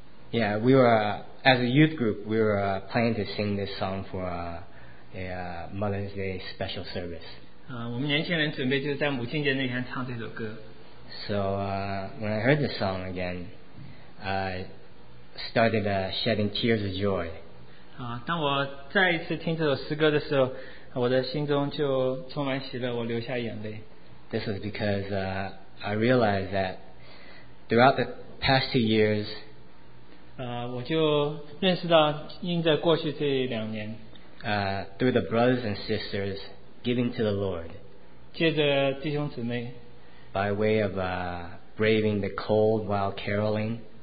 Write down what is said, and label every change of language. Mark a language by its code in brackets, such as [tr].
[en] Yeah, we were as a youth group, we were planning to sing this song for a Mother's Day special service. [zh] 我们年轻人准备就是在母亲节那天唱这首歌。 [en] So when I heard this song again, I started shedding tears of joy. [zh] 当我再一次听这首诗歌的时候，我的心中就充满喜乐，我流下眼泪。 [en] This was because I realized that throughout the past 2 years. [zh] 我就认识到，因着过去这两年， [en] through the brothers and sisters giving to the Lord, [zh] 借着弟兄姊妹， [en] by way of braving the cold while caroling,